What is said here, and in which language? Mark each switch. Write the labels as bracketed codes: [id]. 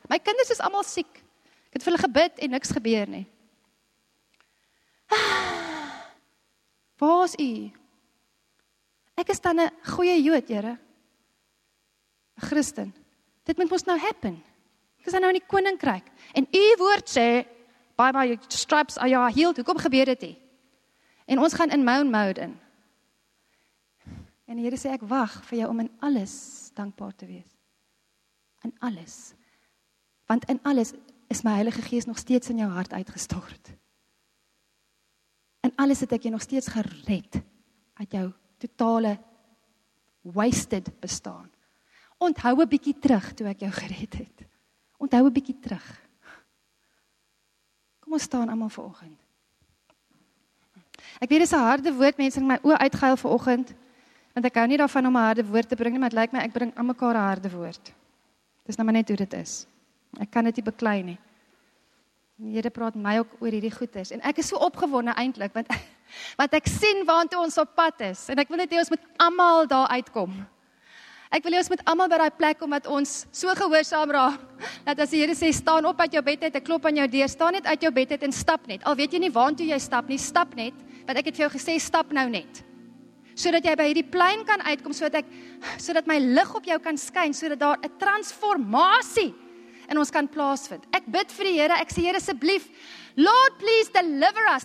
[af] My kinders is almal siek. Ek het vir hulle gebid en niks gebeur nie. Waar is U? Ek is dan 'n goeie Jood, Here. 'n Christen. Dit moet mos nou happen. Ek is nou in die koninkryk. En U woord sê, [en] by my stripes are you healed. [af] Hoekom gebeur dit hê? En ons gaan in moan mode in. En die Here sê, ek wag vir jou om in alles dankbaar te wees. In alles. Want in alles is my Heilige Gees nog steeds in jou hart uitgestort. In alles het ek jou nog steeds gered. Uit jou totale wasted bestaan. Onthou 'n bietjie terug toe ek jou gered het. Onthou 'n bietjie terug. Kom ons staan almal vanoggend. Ek weet dis 'n harde woord, mense, in my oë uitgehuil vanoggend, want ek hou nie daarvan om 'n harde woord te bring nie, maar dit lyk my ek bring almekaar 'n harde woord. Dit is nou maar net hoe dit is. Ek kan dit nie beklei nie. Die Here praat my ook oor hierdie goeders en ek is so opgewonde eintlik, want ek sien waartoe ons op pad is en ek wil net hê ons moet almal daar uitkom. Ek wil hê ons moet almal by daai plek kom wat ons so gehoorsaam raak. Dat as die Here sê staan op uit jou bed uit, ek klop aan jou deur, staan net uit jou bed uit en stap net. Al weet jy nie waantoe jy stap nie, stap net. Want ek het vir jou gesê stap nou net. Sodat jy by hierdie plein kan uitkom sodat my lig op jou kan skyn sodat daar 'n transformasie in ons kan plaasvind. Ek bid vir die Here, ek sê Here asseblief, [en] Lord please deliver us.